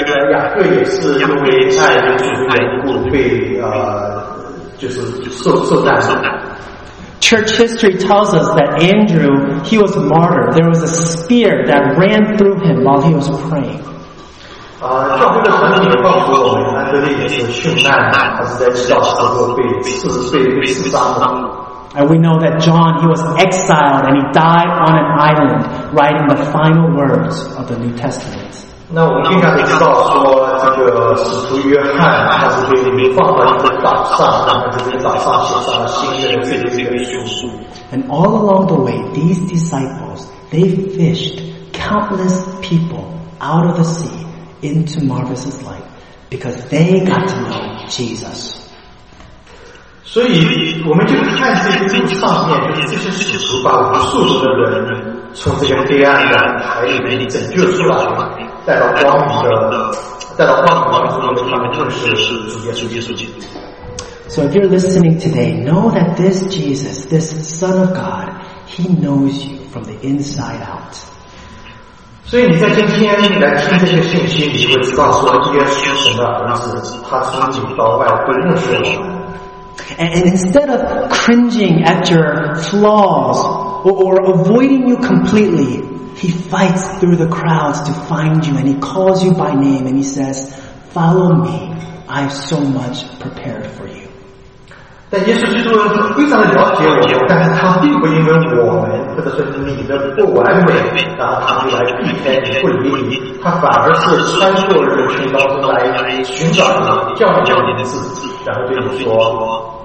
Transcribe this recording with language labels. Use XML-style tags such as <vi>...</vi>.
<zh>雅各也是因为爱耶稣的缘故被受难。</zh> <en>Church history tells us that Andrew, he was martyred. There was a spear that ran through him while he was praying.</en> <zh>教会的传统也告诉我们，安德烈也是殉难，他是在教堂中被刺杀的。</zh> <en>And we know that John, he was exiled and he died on an island, writing the final words of the New Testament.</en> <zh>那我们应该知道说，这个使徒约翰他是被放到一个岛上，然后这个岛上写下了新约的这个书。</zh> <en>And all along the way, these disciples they fished countless people out of the sea into Marvis's life because they got to know Jesus.</en> <zh>所以我们就看这个路上面，就是这些使徒把无数的人从这个黑暗的海里面拯救出来，带到光明的，带到光明的地方，就是主耶稣基督。</zh> <en>So if you're listening today, know that this Jesus, this Son of God, He knows you from the inside out.</en> <zh>所以你在今天来听这些信息，你会知道说耶稣神的儿子，他从里到外会认识你。</zh> <en>And instead of cringing at your flaws or avoiding you completely, he fights through the crowds to find you and he calls you by name and he says, follow me, I have so much prepared for you.</en> <zh>但耶稣基督非常了解我，但是他并不因为我们或者是你的不完美，他就来避开你不理你，他反而是穿过人群当中来寻找你，叫你的字，然后对你说</zh>